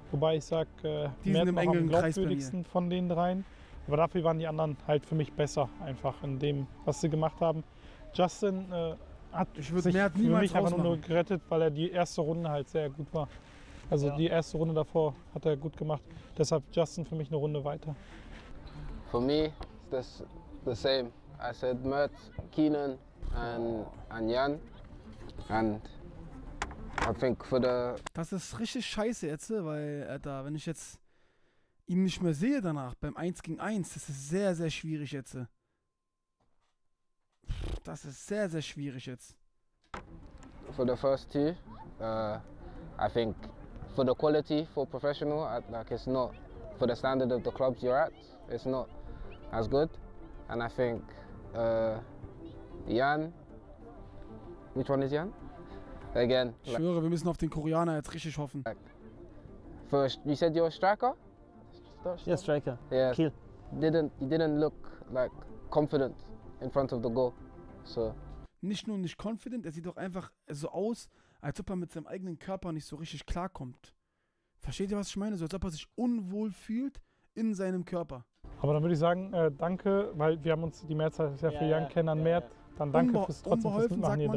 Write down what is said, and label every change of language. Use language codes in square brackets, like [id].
[de] Wobei ich sage, Mert war am glaubwürdigsten von den dreien. Aber dafür waren die anderen halt für mich besser, einfach in dem, was sie gemacht haben. Justin hat sich für mich einfach nur gerettet, weil er die erste Runde halt sehr gut war. Also ja. Die erste Runde davor hat er gut gemacht. Deshalb Justin für mich eine Runde weiter. [en] For me, it's the same. I said Mert, Keenan and Jan. I think for the... [de] Das ist richtig scheiße jetzt, weil, Alter, wenn ich jetzt ihn nicht mehr sehe danach, beim 1 gegen 1, das ist sehr, sehr schwierig jetzt. Das ist sehr, sehr schwierig jetzt. [en] For the first two, I think for the quality for professional, like it's not, for the standard of the clubs you're at, it's not as good. And I think Jan, which one is Jan? Again. [de] Ich schwöre, wir müssen auf den Koreaner jetzt richtig hoffen. [en] First, you said you're a striker? Yeah, striker. Yeah. Kiel. You didn't look like confident in front of the goal. So. [de] Nicht nur nicht confident, er sieht doch einfach so aus, als ob er mit seinem eigenen Körper nicht so richtig klarkommt. Versteht ihr, was ich meine? So als ob er sich unwohl fühlt in seinem Körper. Aber dann würde ich sagen, danke, weil wir haben uns die Mehrzahl sehr für Jan kennen, Mert. Dann danke fürs trotzdem fürs Mitmachen, ihr drei.